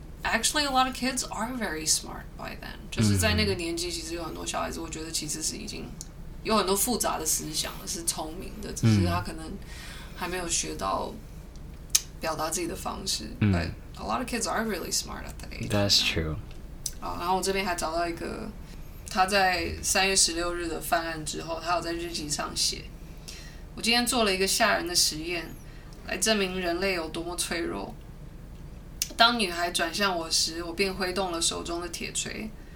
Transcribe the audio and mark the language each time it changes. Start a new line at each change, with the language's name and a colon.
English: Actually, a lot of kids are very smart by then.
Chinese: 就是在那个年纪，其实有很多小孩子，我觉得其实是已经有很多复杂的思想了，是聪明的，只是他可能还没有学到表达自己的方式。
English: But a lot of kids are really smart at that age. That's true.
Chinese: 好，然后我这边还找到一个，他在三月十六日的犯案之后，他有在日记上写：“我今天做了一个吓人的实验，来证明人类有多么脆弱。” 当女孩转向我时，我便挥动了手中的铁锤。